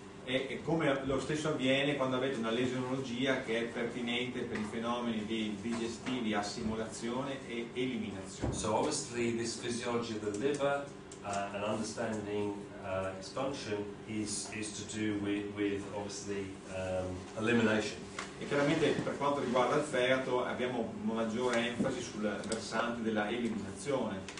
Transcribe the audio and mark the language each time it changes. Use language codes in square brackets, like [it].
[it] E come lo stesso avviene quando avete una lesionologia che è pertinente per I fenomeni di digestivi, assimilazione e eliminazione. [en] So obviously this physiology of the liver and understanding its function is to do with obviously elimination. [it] E chiaramente per quanto riguarda il fegato abbiamo maggiore enfasi sul versante della eliminazione.